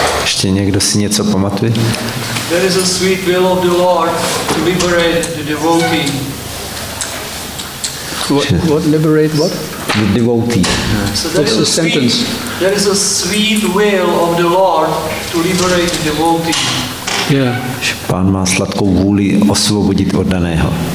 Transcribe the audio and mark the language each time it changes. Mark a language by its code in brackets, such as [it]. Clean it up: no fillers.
[cs] Ještě někdo si něco pamatuje? [en] There is a sweet will of the Lord to liberate the devotee. What liberate what? The devotee. So what's the sentence? There is a sweet will of the Lord to liberate the devotee. Yeah. [cs] Pán má sladkou vůli osvobodit oddaného.